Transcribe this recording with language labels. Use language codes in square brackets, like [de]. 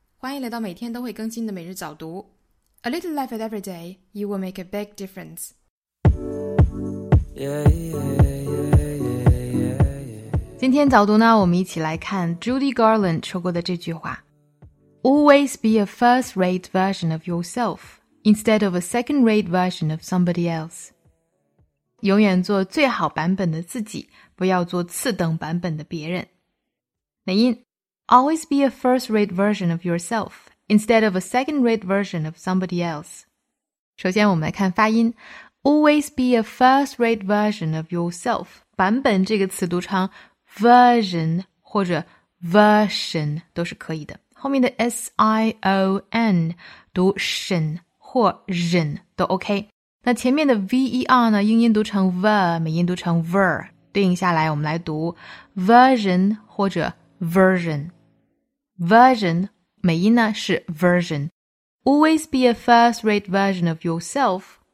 [zh] 欢迎来到每天都会更新的每日早读。 [en] A little life at every day, you will make a big difference. Yeah, yeah, yeah, yeah, yeah, yeah. [zh] 今天早读呢，我们一起来看 Judy Garland 说过的这句话。 [en] Always be a first-rate version of yourself, instead of a second-rate version of somebody else. [zh] 永远做最好版本的自己，不要做次等版本的别人。美音。 [en] Always be a first-rate version of yourself, instead of a second-rate version of somebody else. [zh] 首先我们来看发音。 [en] Always be a first-rate version of yourself. [zh] 版本这个词读成 version 或者 version 都是可以的。后面的 s-i-o-n 读 shin 或 zhin 都 OK。那前面的 v-e-r 呢英音读成 ver, 美音读成 ver。对应下来我们来读 version 或者 version。 [en] Version, [zh] 美音呢是 [en] version. Always be a first-rate version of yourself.